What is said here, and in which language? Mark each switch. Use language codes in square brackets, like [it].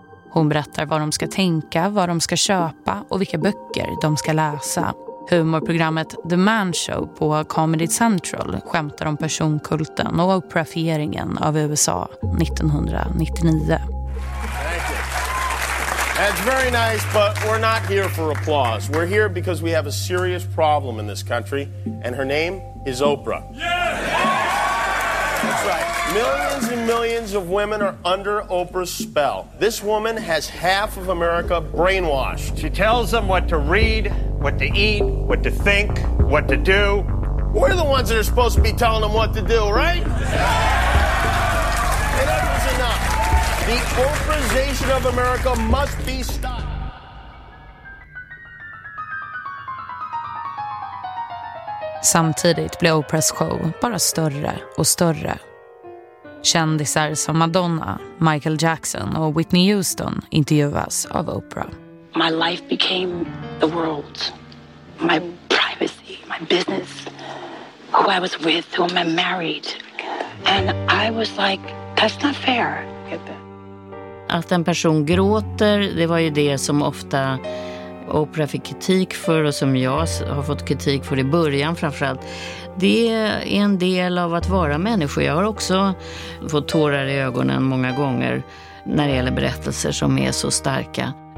[sv] Hon berättar vad de ska tänka, vad de ska köpa och vilka böcker de ska läsa. Humorprogrammet The Man Show på Comedy Central skämtar om personkulten och Oprahifieringen av USA 1999. [en] That's very nice, but we're not here for applause. We're here because we have a serious problem in this country, and her name is Oprah. That's right. Millions and millions of women are under Oprah's spell. This woman has half of America brainwashed. She tells them what to read, what to eat, what to think, what to do. We're the ones that are supposed to be telling them what to do, right? Yeah! And that was enough. The Oprahization of America must be stopped. [sv] Samtidigt blir Oprahs show bara större och större. Kändisar som Madonna, Michael Jackson och Whitney Houston intervjuas av Oprah. [en] My life became the world. My privacy, my business, who I was with, whom I married. And I was like, that's not fair. [sv] Att en person gråter, det var ju det som ofta Oprah fick kritik för och som jag har fått kritik för i början framförallt. Det är en del av att vara människa. Jag har också fått tårar i ögonen många gånger när det gäller berättelser som är så starka.